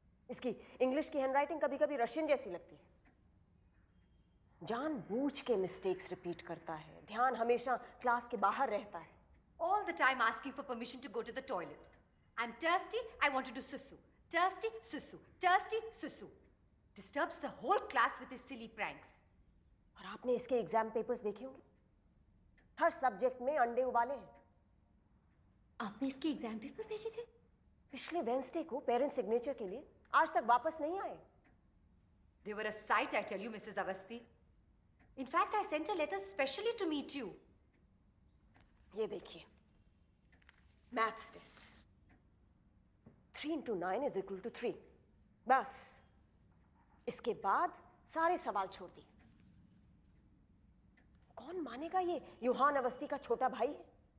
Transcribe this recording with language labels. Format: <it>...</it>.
<hi>इसकी इंग्लिश की हैंडराइटिंग कभी कभी रशियन जैसी लगती है। जान बूझ के मिस्टेक्स रिपीट करता है, ध्यान हमेशा क्लास के बाहर रहता है।</hi> <en>All the time asking for permission to go to the toilet. I am thirsty, I want to do सुसु, thirsty सुसु, thirsty सुसु। Disturbs the whole class with his silly pranks.</en> <hi>और आपने इसके एग्जाम पेपर्स देखे होंगे? हर सब्जेक्ट में अंडे उबाले हैं। आपने इसके एग्जाम पेपर भेजे थे? पिछले वेंसडे को पेरेंट सिग्नेचर के लिए, आज तक वापस नहीं आए।</hi> <en>They were a sight, I tell you, Mrs. Awasthi. In fact, I sent a letter specially to meet you.</en> <hi>ये देखिए,</hi> <en>maths test.</en> <hi>3 × 9 = 3. बस. इसके बाद सारे सवाल छोड़ दिए। कौन मानेगा ये युहान अवस्थी का छोटा भाई है?</hi>